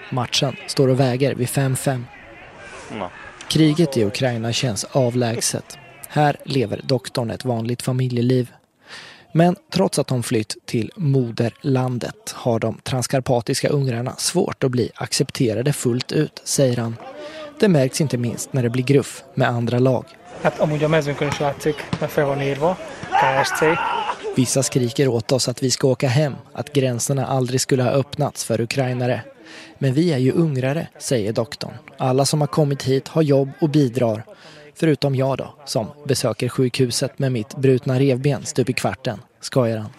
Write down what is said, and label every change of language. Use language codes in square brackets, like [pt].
[sv] Matchen står och väger vid 5-5. Kriget i Ukraina känns avlägset. Här lever doktorn ett vanligt familjeliv. Men trots att de flytt till moderlandet har de transkarpatiska ungrarna svårt att bli accepterade fullt ut, säger han. Det märks inte minst när det blir gruff med andra lag. [hu] Hát amúgy a mezőnkön is látszik, mert fel van írva, KSC. [sv] Vissa skriker åt oss att vi ska åka hem, att gränserna aldrig skulle ha öppnats för ukrainare. Men vi är ju ungrare, säger doktorn. Alla som har kommit hit har jobb och bidrar. Förutom jag då, som besöker sjukhuset med mitt brutna revben stup i kvarten, skojar han.